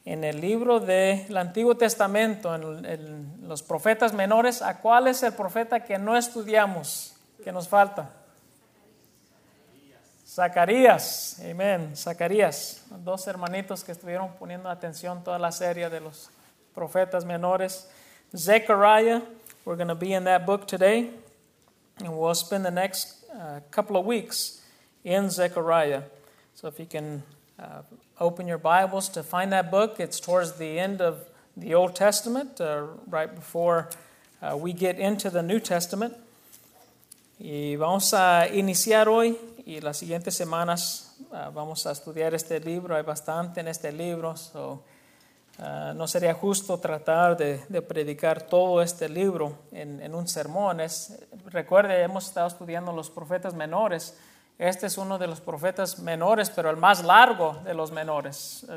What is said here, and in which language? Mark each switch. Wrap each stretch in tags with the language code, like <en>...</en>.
<es>en el libro del Antiguo Testamento, en los profetas menores, ¿a cuál es el profeta que no estudiamos, que nos falta? Zacarías. Amén. Zacarías. Dos hermanitos que estuvieron poniendo atención toda la serie de los profetas menores.</es> <en>Zechariah. We're going to be in that book today. And we'll spend the next couple of weeks in Zechariah. So if you can open your Bibles to find that book. It's towards the end of the Old Testament, right before we get into the New Testament.</en> <es>Y vamos a iniciar hoy y las siguientes semanas vamos a estudiar este libro. Hay bastante en este libro, so no sería justo tratar de predicar todo este libro en un sermón. Recuerde, hemos estado estudiando los profetas menores. Este es uno de los profetas menores, pero el más largo de los menores.</es>